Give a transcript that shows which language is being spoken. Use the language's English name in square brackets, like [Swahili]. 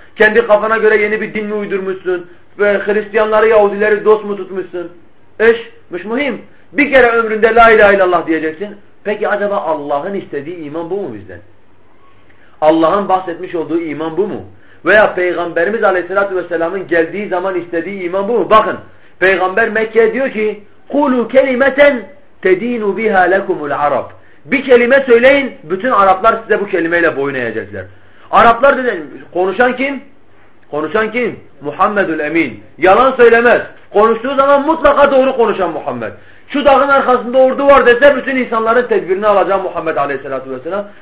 [Turkish] Kendi kafana göre yeni bir din mi uydurmuşsun? Ve Hristiyanları, Yahudileri dost mu tutmuşsun? Eşmiş muhim. Bir kere ömründe la ilahe illallah diyeceksin. Peki acaba Allah'ın istediği iman bu mu bizden? Allah'ın bahsetmiş olduğu iman bu mu? Veya Peygamberimiz aleyhissalatü vesselamın geldiği zaman istediği iman bu mu? Bakın Peygamber Mekke'ye diyor ki [Arabic] قُلُوا كَلِمَةً تَد۪ينُ بِهَا لَكُمُ الْعَرَبِ. [Turkish] Bir kelime söyleyin, bütün Araplar size bu kelimeyle boyun eğecekler. Araplar dedi, konuşan kim? Konuşan kim? Muhammedül Emin. Yalan söylemez. Konuştuğu zaman mutlaka doğru konuşan Muhammed. Şu dağın arkasında ordu var dese bütün insanların tedbirini alacağım Muhammed Aleyhisselatü Vesselam.